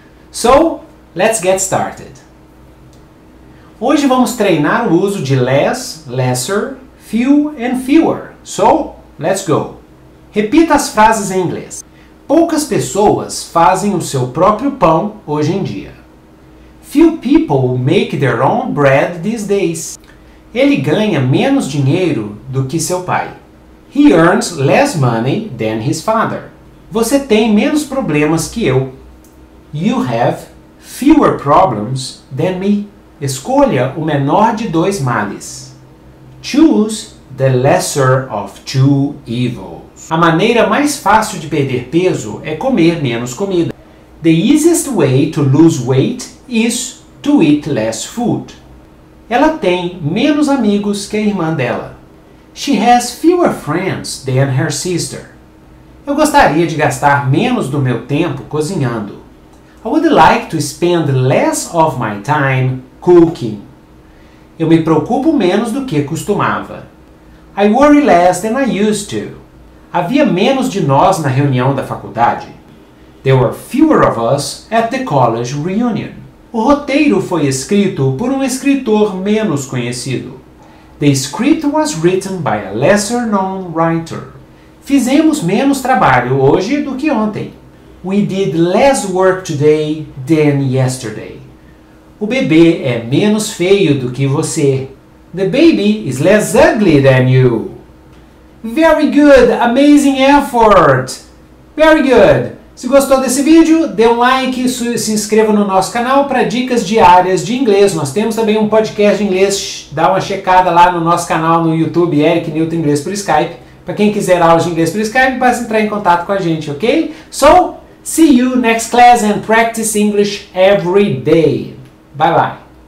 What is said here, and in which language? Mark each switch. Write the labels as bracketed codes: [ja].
[en] So, let's get started. [pt] Hoje vamos treinar o uso de [en] less, lesser, few and fewer. So, let's go. [pt] Repita as frases em inglês. Poucas pessoas fazem o seu próprio pão hoje em dia. [en] Few people make their own bread these days. [pt] Ele ganha menos dinheiro do que seu pai. [en] He earns less money than his father. [pt] Você tem menos problemas que eu. [en] You have fewer problems than me. [pt] Escolha o menor de dois males. [en] Choose the lesser of two evils. [pt] A maneira mais fácil de perder peso é comer menos comida. [en] The easiest way to lose weight is to eat less food. [pt] Ela tem menos amigos que a irmã dela. [en] She has fewer friends than her sister. [pt] Eu gostaria de gastar menos do meu tempo cozinhando. [en] I would like to spend less of my time cooking. [pt] Eu me preocupo menos do que costumava. [en] I worry less than I used to. [pt] Havia menos de nós na reunião da faculdade. [en] There were fewer of us at the college reunion. [pt] O roteiro foi escrito por um escritor menos conhecido. [en] The script was written by a lesser known writer. [pt] Fizemos menos trabalho hoje do que ontem. [en] We did less work today than yesterday. [pt] O bebê é menos feio do que você. [en] The baby is less ugly than you. Very good! Amazing effort! Very good! [pt] Se gostou desse vídeo, dê um like e se inscreva no nosso canal para dicas diárias de inglês. Nós temos também um podcast de inglês. Dá uma checada lá no nosso canal no YouTube, Eric Newton Inglês por Skype. Para quem quiser aula de inglês por Skype, basta entrar em contato com a gente, ok? [en] So, see you next class and practice English every day. Bye, bye!